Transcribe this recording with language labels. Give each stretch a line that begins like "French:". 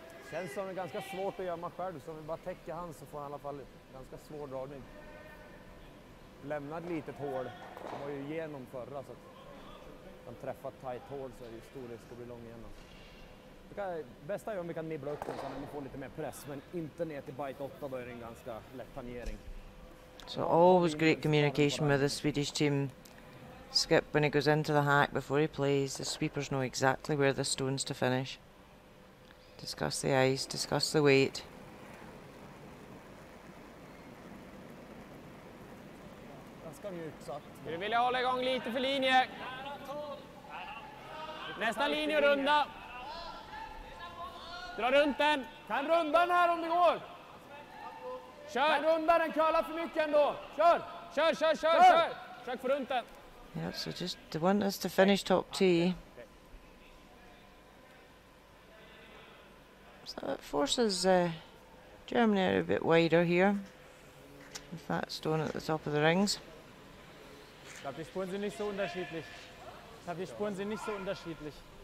Swedish: Känns som det är ganska svårt att gömma själv, så om vi bara täcker han så får han i alla fall ganska svår dragning. Lämnat litet hål, han var ju igenom förra så att han träffat tight hål så är det ju stor risk att bli lång igen. Bästa är om vi kan nibbla upp den så att vi får lite mer press, men inte ner till bite 8, då är det en ganska lätt tangering.
English: So always great communication with the Swedish team. Skip when he goes into the hack before he plays, the sweepers know exactly where the stones to finish. Discuss the ice, discuss the weight.
Swedish: Nu vill jag hålla igång lite för linje. Nästa linje och runda. Dra runt den. Kan runda den här om det går. Kör. Kan runda den, curla för mycket ändå. Kör. Kör, kör, kör, kör. Försök få runt den.
English: Yeah, so just they want us to finish top tee. So it forces Germany out a bit wider here. With that stone at the top of the rings.
German: Ich glaube, die Spuren sind nicht so unterschiedlich. Ich glaube, die Spuren sind nicht so unterschiedlich.